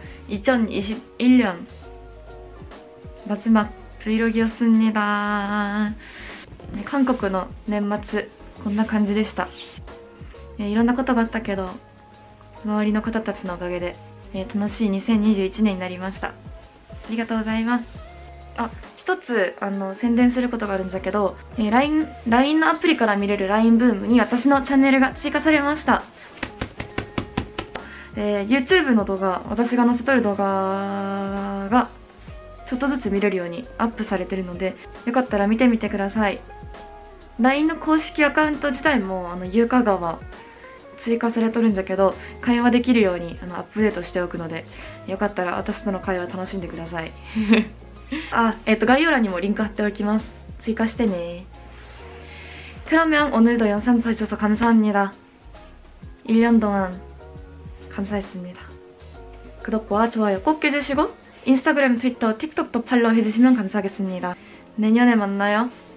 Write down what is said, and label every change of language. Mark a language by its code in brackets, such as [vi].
[ko] 2021년 마지막 브이로그였습니다. 한국의 연말 [ja] こんな感じでした. [ko] 이런 [ja] なことがあったけど 周りの方たちのおかげで楽しい2021年になりました。ありがとうございます。あ、一つ宣伝することがあるんじゃけど、LINEのアプリから見れる LINE ブームに私のチャンネルが追加されました。 YouTubeの動画、私が載せとる動画がちょっとずつ見れるようにアップされてるので、よかったら見てみてください。LINEの公式アカウント自体も、ゆうか川 追加されとるんじゃけど、会話できるように、アップデートしておくので、よかったら私との会話楽しんでください。 아, 概要欄にも リンク貼っておきます。追加してね。 [ko] 그러면 오늘도 영상 봐주셔서 감사합니다. 1년 동안 감사했습니다. 구독과 좋아요 꼭 해주시고, 인스타그램, 트위터, 틱톡도 팔로우 해주시면 감사하겠습니다. 내년에 만나요.